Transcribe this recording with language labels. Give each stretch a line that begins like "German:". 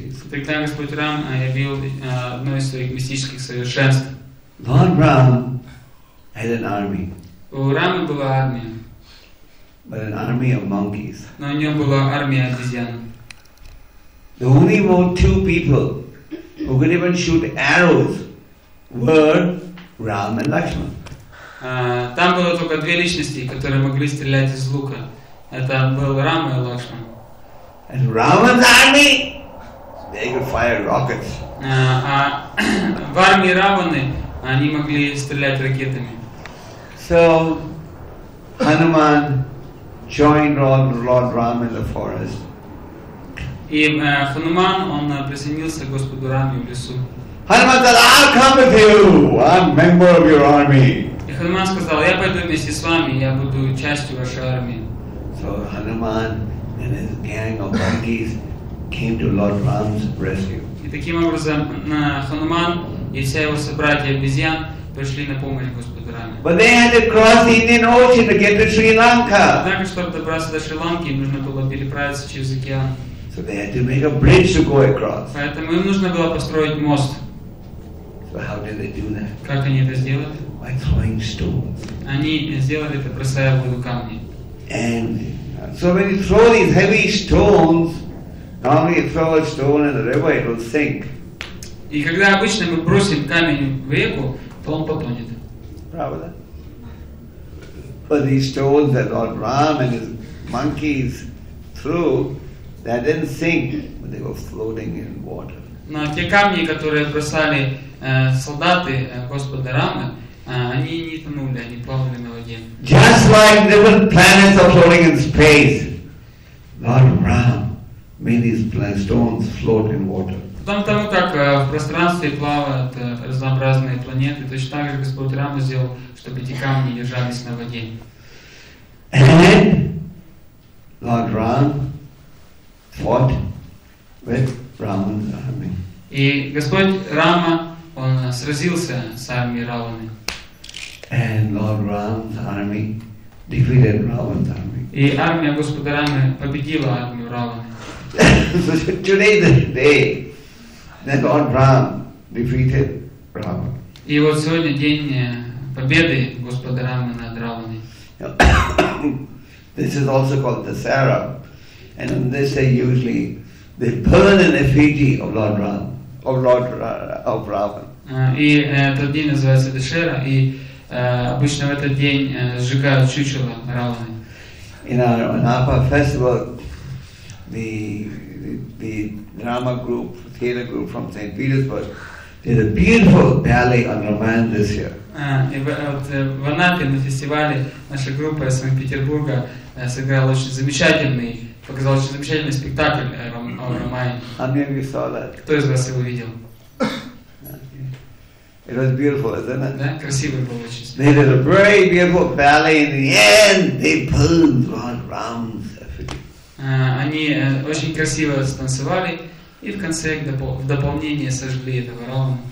Russian: Тогда Господь Рам явил одно из своих мистических совершенств.
English: Lord Ram had an army.
Russian: У Рамы была армия.
English: But an army of monkeys.
Russian: Но у него была армия обезьян.
English: The only two people who could even shoot arrows were Ram and Lakshman.
Russian: Там было только две личности, которые могли стрелять из лука. Это был Рама и Лакшман.
English: And Ravana's army, they could fire rockets.
Russian: В армии Раваны они могли стрелять ракетами.
English: So Hanuman joined Lord Ram in the forest.
Russian: И Хануман, он присоединился к Господу Раме в лесу.
English: Hanuman said, I'll come with you. I'm a member of your army.
Russian: Хануман сказал, я пойду вместе с вами, я буду частью вашей армии.
English: So Hanuman and his gang of bhagis came to Lord Ram's rescue.
Russian: И таким образом Хануман и все его собратья обезьян пришли на помощь Господу Раме.
English: But they had to cross the Indian Ocean to get to Sri Lanka.
Russian: Однако, чтобы добраться до Шри-Ланки, нужно было переправиться через океан.
English: So they had to make a bridge to go across.
Russian: Поэтому им нужно было построить мост.
English: So how did they do that?
Russian: Как они это сделали?
English: By throwing stones.
Russian: Они сделали это, бросая в воду камни.
English: And so when you throw these heavy stones, normally you throw a stone in the river, it will sink.
Russian: И когда обычно мы бросим камень в реку, то он потонет. Правда?
English: But these stones that Lord Ram and his monkeys threw, they didn't sink, but they were floating in water.
Russian: Но те камни, которые бросали солдаты Господа Рамы, они не тонули, они плавали на воде.
English: Just like different planets are floating in space, Lord Ram made these stones float in water.
Russian: Потом тому, как в пространстве плавают разнообразные планеты, точно так же Господь Рама сделал, чтобы эти камни держались на воде.
English: And Lord Ram fought with Ravana's army.
Russian: И Господь Рама, он сразился с армией Раваны.
English: And Lord Ram's army defeated Ravana's army.
Russian: И армия Господа Рамы победила армию Раваны.
English: Today's day. That Lord Ram defeated Ravana.
Russian: И вот сегодня день победы Господа Рамы над Раваной.
English: This is also called the Dasara, and on this day usually they burn an effigy of Lord Ram, of Ravana.
Russian: И этот день называется Дашера, и обычно в этот день сжигают чучело Раваны.
English: In our Anapa festival, the drama group, theater group from St. Petersburg did a beautiful ballet on Ravana this year.
Russian: В Анапе на фестивале наша группа из Санкт-Петербурга сыграла очень замечательный, показала очень замечательный спектакль о Рамайне. Кто из вас его видел?
English: It was beautiful, isn't it?
Russian: Да, красивый был очень.
English: They did a very beautiful ballet in the end. They burned Lord Ram's effigy.
Russian: Они очень красиво станцевали и в конце в дополнение сожгли этого Равану.